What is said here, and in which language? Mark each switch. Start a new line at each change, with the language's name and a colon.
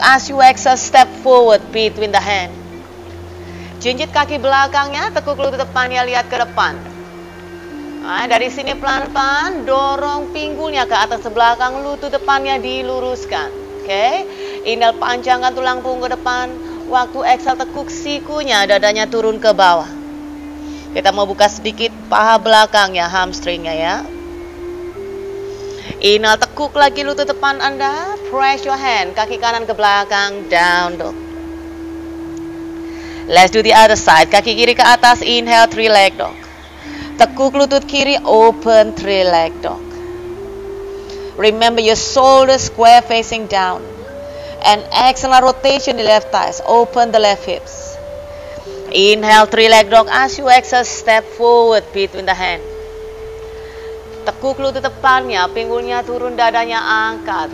English: As you exhale, step forward between the hand.
Indonesian: Jinjit kaki belakangnya, tekuk lutut depannya, lihat ke depan. Nah, dari sini pelan-pelan, dorong pinggulnya ke atas ke belakang, lutut depannya diluruskan. Oke, okay? Inhale, panjangkan tulang punggung ke depan. Waktu exhale, tekuk sikunya, dadanya turun ke bawah. Kita mau buka sedikit paha belakangnya, hamstringnya ya. Inhale, tekuk lagi lutut depan Anda.
English: Press your hand,
Indonesian: kaki kanan ke belakang,
English: down dog. Let's do the other side,
Indonesian: kaki kiri ke atas,
English: inhale, three leg dog.
Indonesian: Tekuk lutut kiri,
English: open, three leg dog. Remember your shoulder square facing down. And exhale, rotation the left thighs, open the left hips. Inhale, three leg dog, as you exhale, step forward between the hand.
Indonesian: Tekuk lutut depannya, pinggulnya turun, dadanya angkat.